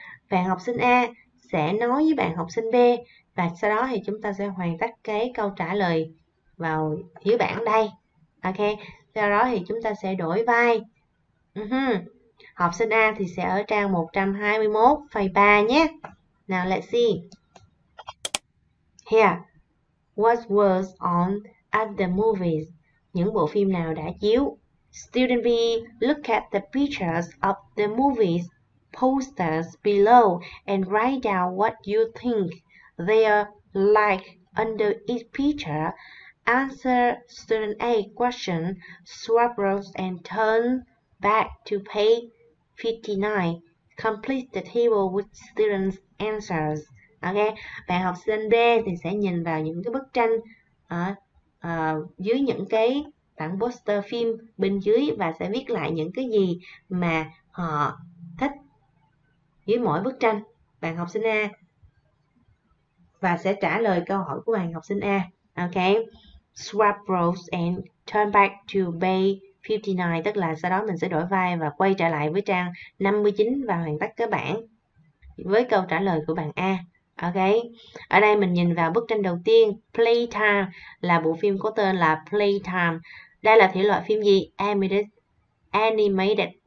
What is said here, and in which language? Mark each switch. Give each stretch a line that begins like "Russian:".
Vietnamese: Bạn học sinh A sẽ nói với bạn học sinh B và sau đó thì chúng ta sẽ hoàn tất cái câu trả lời vào phiếu bảng đây. Ok, sau đó thì chúng ta sẽ đổi vai. Học sinh A thì sẽ ở trang 121 file 3 nhé.
English: Now let's see. Here, what was on at the movies?
Vietnamese: Những bộ phim nào đã chiếu?
English: Student B, look at the pictures of the movie's posters below and write down what you think they are like under each picture. Answer student A question, swap rows and turn back to page 59. Complete the table with student's answers.
Vietnamese: Ok, bạn học sinh B thì sẽ nhìn vào những cái bức tranh dưới những cái bản poster phim bên dưới và sẽ viết lại những cái gì mà họ thích dưới mỗi bức tranh. Bạn học sinh A. Và sẽ trả lời câu hỏi của bạn học sinh A.
English: Ok, swap roles and turn back to page 59.
Vietnamese: Tức là sau đó mình sẽ đổi vai và quay trở lại với trang 59 và hoàn tất cái bảng với câu trả lời của bạn A. Ok, ở đây mình nhìn vào bức tranh đầu tiên, Playtime, là bộ phim có tên là Playtime. Đây là thể loại phim gì? Animated.